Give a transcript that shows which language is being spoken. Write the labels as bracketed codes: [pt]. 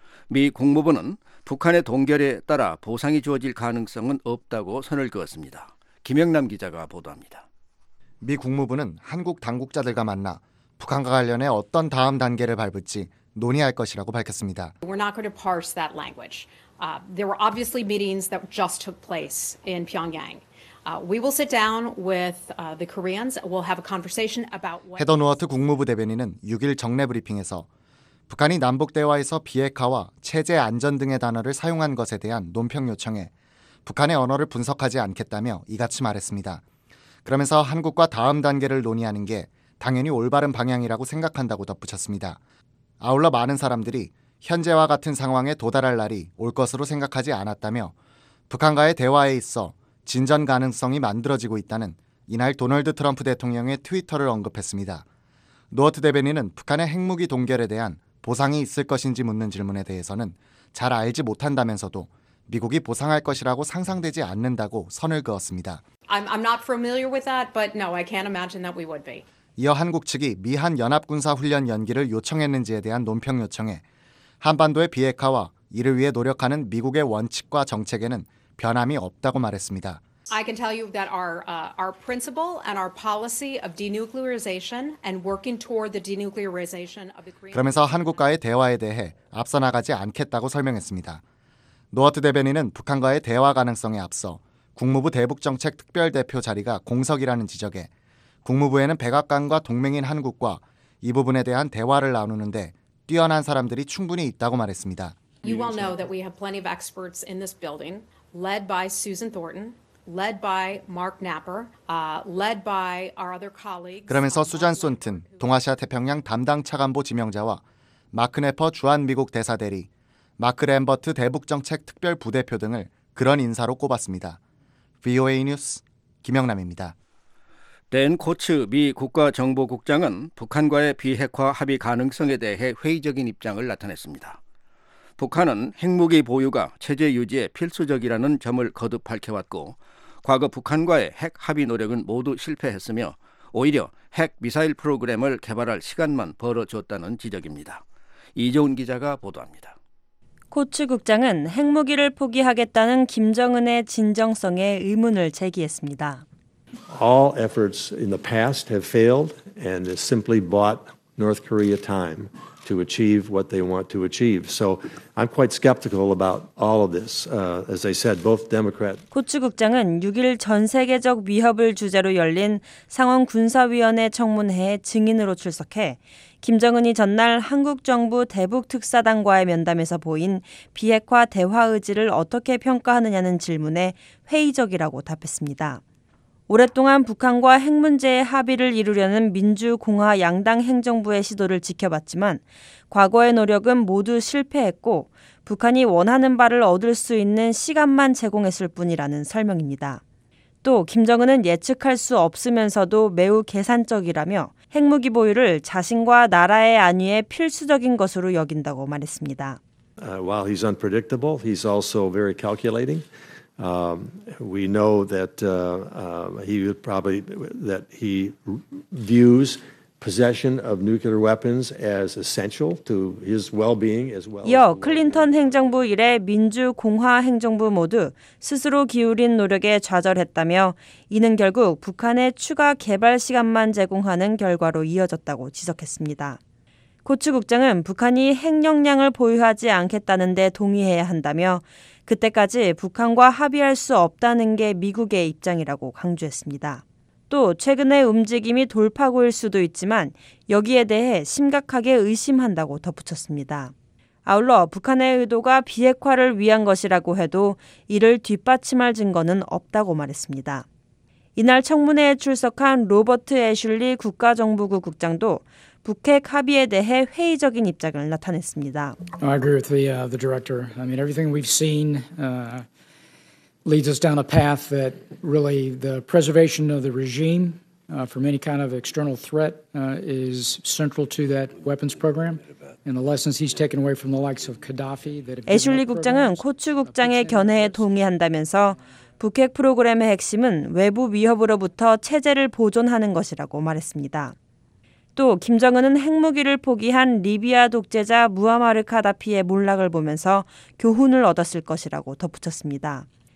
[ko] 미 국무부는 북한의 동결에 따라 보상이 주어질 가능성은 없다고 선을 그었습니다. 김영남 기자가 보도합니다. 미 국무부는 한국 당국자들과 만나 북한과 관련해 어떤 다음 단계를 밟을지 논의할 것이라고 밝혔습니다. [en] We're not going to parse that language. There were obviously meetings that just took place in Pyongyang. We will sit down with the Koreans. We'll have a conversation about what. [ko] 헤더 노어트 국무부 대변인은 6일 정례 브리핑에서 북한이 남북 대화에서 비핵화와 체제 안전 등의 단어를 사용한 것에 대한 논평 요청에 북한의 언어를 분석하지 않겠다며 이같이 말했습니다. 그러면서 한국과 다음 단계를 논의하는 게 당연히 올바른 방향이라고 생각한다고 덧붙였습니다. 아울러 많은 사람들이 현재와 같은 상황에 도달할 날이 올 것으로 생각하지 않았다며 북한과의 대화에 있어 진전 가능성이 만들어지고 있다는 이날 도널드 트럼프 대통령의 트위터를 언급했습니다. 노어트 대변인은 북한의 핵무기 동결에 대한 보상이 있을 것인지 묻는 질문에 대해서는 잘 알지 못한다면서도 미국이 보상할 것이라고 상상되지 않는다고 선을 그었습니다. [en] I'm not familiar with that, but no, I can't imagine that we would be. [ko] 이어 한국 측이 미한 연합군사 훈련 연기를 요청했는지에 대한 논평 요청에 한반도의 비핵화와 이를 위해 노력하는 미국의 원칙과 정책에는 변함이 없다고 말했습니다. [en] I can tell you that our principle and our policy of denuclearization and working toward the denuclearization of the Korean. [ko] 그러면서 한국과의 대화에 대해 앞서 나가지 않겠다고 설명했습니다. 노어트 대변인은 북한과의 대화 가능성에 앞서 국무부 대북정책 특별대표 자리가 공석이라는 지적에 국무부에는 백악관과 동맹인 한국과 이 부분에 대한 대화를 나누는데 뛰어난 사람들이 충분히 있다고 말했습니다. [en] You well know that we have plenty of experts in this building, led by Susan Thornton, led by Mark Knapper, led by our other colleagues. [ko] 그러면서 수잔 손튼, 동아시아 태평양 담당 차관보 지명자와 마크 네퍼 주한미국 대사 대리, 마크 램버트 대북정책 특별부대표 등을 그런 인사로 꼽았습니다. VOA 뉴스 김영남입니다. 댄 코츠 미 국가정보국장은 북한과의 비핵화 합의 가능성에 대해 회의적인 입장을 나타냈습니다. 북한은 핵무기 보유가 체제 유지에 필수적이라는 점을 거듭 밝혀왔고 과거 북한과의 핵 합의 노력은 모두 실패했으며 오히려 핵 미사일 프로그램을 개발할 시간만 벌어줬다는 지적입니다. 이종훈 기자가 보도합니다. 코츠 국장은 핵무기를 포기하겠다는 김정은의 진정성에 의문을 제기했습니다. [en] All efforts in the past have failed and it simply bought North Korea time to achieve what they want to achieve. So I'm quite skeptical about all of this. As I said, both Democrat [ko] 코츠 국장은 6일 전 세계적 위협을 주제로 열린 상원 군사위원회 청문회에 증인으로 출석해 김정은이 전날 한국 정부 대북 특사단과의 면담에서 보인 비핵화 대화 의지를 어떻게 평가하느냐는 질문에 회의적이라고 답했습니다. 오랫동안 북한과 핵 문제의 합의를 이루려는 민주공화 양당 행정부의 시도를 지켜봤지만 과거의 노력은 모두 실패했고 북한이 원하는 바를 얻을 수 있는 시간만 제공했을 뿐이라는 설명입니다. 또 김정은은 예측할 수 없으면서도 매우 계산적이라며 핵무기 보유를 자신과 나라의 안위에 필수적인 것으로 여긴다고 말했습니다. [en] While he's unpredictable, he's also very calculating. We know that he views possession of nuclear weapons as essential to his well-being as well. [ko] 이어 클린턴 행정부 이래 민주 공화 행정부 모두 스스로 기울인 노력에 좌절했다며 이는 결국 북한의 추가 개발 시간만 제공하는 결과로 이어졌다고 지적했습니다. 코츠 국장은 북한이 핵 역량을 보유하지 않겠다는 데 동의해야 한다며 그때까지 북한과 합의할 수 없다는 게 미국의 입장이라고 강조했습니다. 또 최근의 움직임이 돌파구일 수도 있지만 여기에 대해 심각하게 의심한다고 덧붙였습니다. 아울러 북한의 의도가 비핵화를 위한 것이라고 해도 이를 뒷받침할 증거는 없다고 말했습니다. 이날 청문회에 출석한 로버트 애슐리 국가정보국 국장도 북핵 합의에 대해 회의적인 입장을 나타냈습니다. [en] I agree with the director. I mean, everything we've seen leads us down a path that really the preservation of the regime from any kind of external threat is central to that weapons program. And the lessons he's taken away from the likes of Gaddafi that. [ko] 애슐리 국장은 코츠 국장의 견해에 동의한다면서 북핵 프로그램의 핵심은 외부 위협으로부터 체제를 보존하는 것이라고 말했습니다. 또 김정은은 핵무기를 포기한 리비아 독재자 무아마르 카다피의 몰락을 보면서 교훈을 얻었을 것이라고 덧붙였습니다.